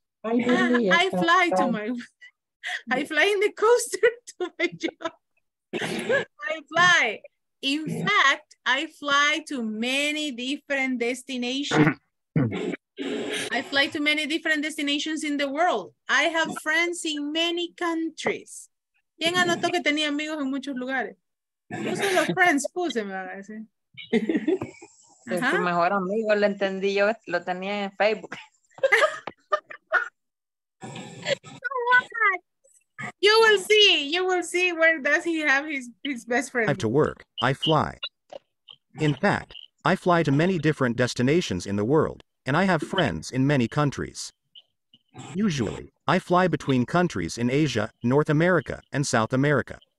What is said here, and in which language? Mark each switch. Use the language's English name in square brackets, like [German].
[English] I fly in the coaster to my job. I fly. In fact, I fly to many different destinations. I fly to many different destinations in the world. I have friends in many countries. [Spanish] ¿Quién anotó que tenía amigos en muchos lugares? Puse los friends, puse, me va a decir. Es tu mejor amigo, lo entendí yo, lo tenía en Facebook. [English] You will see where does he have his best friend. I have to work, I fly. In fact, I fly to many different destinations in the world, and I have friends in many countries. Usually, I fly between countries in Asia, North America, and South America.